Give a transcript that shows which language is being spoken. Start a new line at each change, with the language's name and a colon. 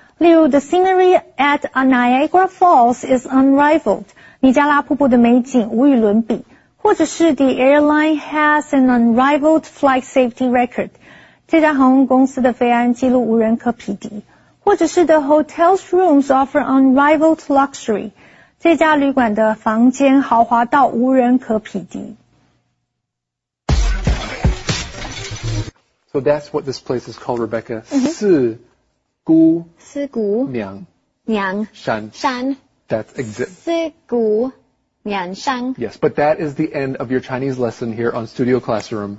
Chinese: 例如
English: the scenery at Niagara Falls is unrivaled.
Chinese: 尼加拉瀑布的美景无与伦比。或者是
English: the airline has an unrivaled flight safety record.
Chinese: 这家航空公司的飞安记录无人可匹敌。或者是
English: the hotel's rooms offer unrivaled luxury.
Chinese: 这家旅馆的房间豪华到无人可匹敌。
English: So that's what this place is called, Rebecca.
Chinese: 是姑四姑娘娘山山
English: That's exit
Chinese: 四姑娘山
English: Yes, but that is the end of your Chinese lesson here on Studio Classroom.